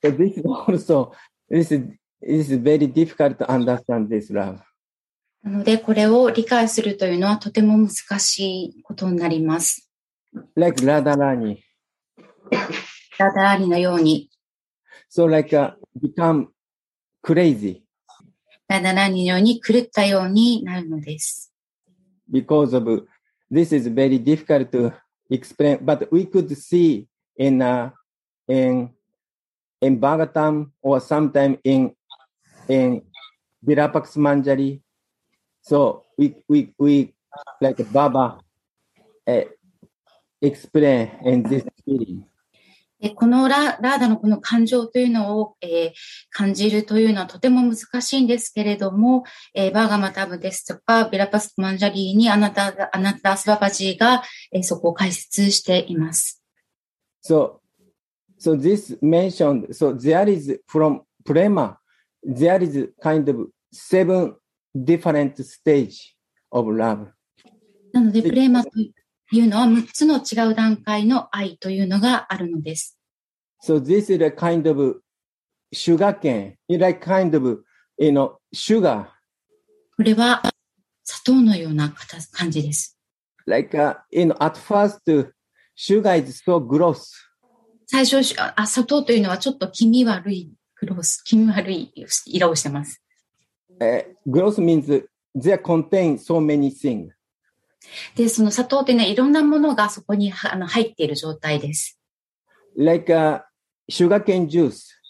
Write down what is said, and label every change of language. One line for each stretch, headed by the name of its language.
English: So、this is also this is very difficult to understand this love.
Japanese: なのでこれを理解するというのはとても難しいことになります。
English: Like Radharani.
Japanese: Radharaniのように。
English: So like a become crazy.
Japanese: Radharaniのように狂ったようになるのです。
English: Because of this is very difficult to. Explain, but we could see in Bhagavatam or sometime in Virapaksha Manjari. So we like Baba explain in this feeling.
Japanese: このラーダのこの感情というのを、感じるというのはとても難しいんですけれども、バーガマタブですとか、ビラパスマンジャリーにアナタスババジーが、そこを解説しています。
English: So this mentioned, so there is from prema, there is kind of seven different stage of love.
Japanese: なので、プレマというのは6つの違う段階の愛というのがあるのです。
English: So this is a kind of sugar cane, like kind of, you know, sugar.
Japanese: これは砂糖のような感じです。
English: Like, you know, at first, sugar is so gross.
Japanese: 最初、砂糖というのはちょっと黄身悪い色をしてます。
English: Gross means they contain so many things.
Japanese: でその砂糖というのはいろんなものがそこに入っている状態です。
English: Like a sugarcane juice.